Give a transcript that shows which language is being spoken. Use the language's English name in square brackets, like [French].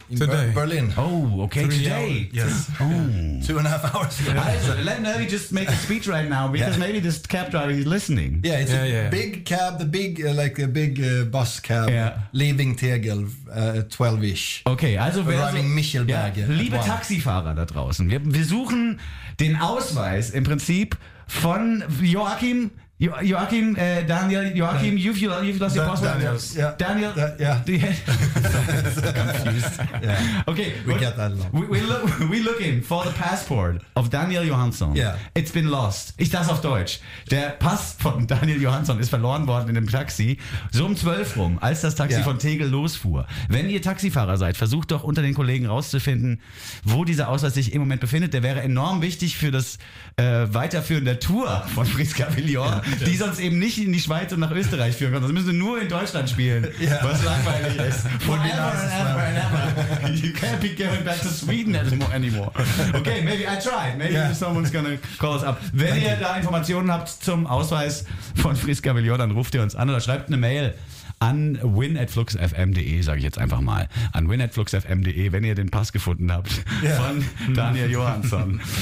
[English] Today. Berlin. Oh, okay. Three today. Hours. Yes. Oh. Yeah. 2.5 hours. Yeah. Let me just make a speech right now because maybe this cab driver is listening. Yeah, it's big cab, the big, like a big bus cab leaving Tegel 12-ish. Okay, also wer. Arriving Michelberg. [German] Ja, liebe Taxifahrer da draußen, wir suchen den Ausweis im Prinzip von Joachim. [English] Joachim, Daniel, Joachim, you've lost your passport. Daniel. Confused. Yeah. Okay. We get that a lot. We're looking for the passport of Daniel Johansson. Yeah. It's been lost. [German] Ich das auf Deutsch. Der Pass von Daniel Johansson ist verloren worden in dem Taxi. So um 12 rum, als das Taxi von Tegel losfuhr. Wenn ihr Taxifahrer seid, versucht doch unter den Kollegen rauszufinden, wo dieser Ausweis sich im Moment befindet. Der wäre enorm wichtig für das Weiterführen der Tour von Friska Villior. Ja. Die sonst eben nicht in die Schweiz und nach Österreich führen können. Sonst müssen sie nur in Deutschland spielen. [English] Yeah. [German] Was langweilig ist. [English] Forever and ever and ever. You can't be going back to Sweden anymore. Okay, maybe I tried. Maybe someone's gonna call us up. [German] Wenn ihr da Informationen habt zum Ausweis von Friska Villior, dann ruft ihr uns an oder schreibt eine Mail an win@fluxfm.de, sage ich jetzt einfach mal. An win@fluxfm.de, wenn ihr den Pass gefunden habt von Daniel Johansson.